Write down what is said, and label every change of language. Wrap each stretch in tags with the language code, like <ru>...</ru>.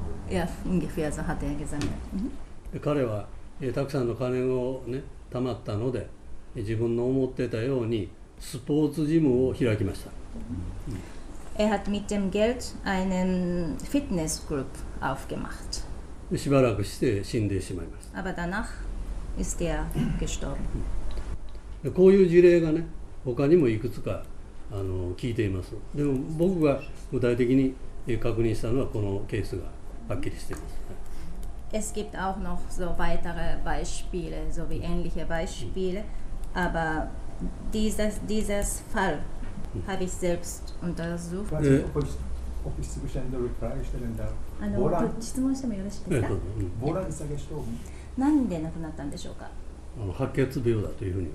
<de>Ja, ungefähr so hat er gesammelt. Er hat viel Geld gesammelt.</de> <ja>自分の思ってたようにスポーツジムを開きました。</ja> <de>hat mit dem Geld einen Fitnessclub aufgemacht.</de> <ja>しばらくして死んでしまいました。</ja> <de>Aber danach ist er gestorben.</de> <ja>こういう事例がね、他にもいくつか聞いています。でも僕が具体的に確認したのはこのケースがはっきりしています。</ja> <de>Es gibt auch noch so weitere Beispiele, so wie ähnliche Beispiele, aber dieses Fall habe ich selbst untersucht. Ob ich zwischendurch eine Frage stellen darf? Woran?</de> <ja>質問してもよろしいですか？</ja> <de>Woran ist er gestorben?</de> <ja>なんで亡くなったんでしょうか？白血病だというふうに。</ja>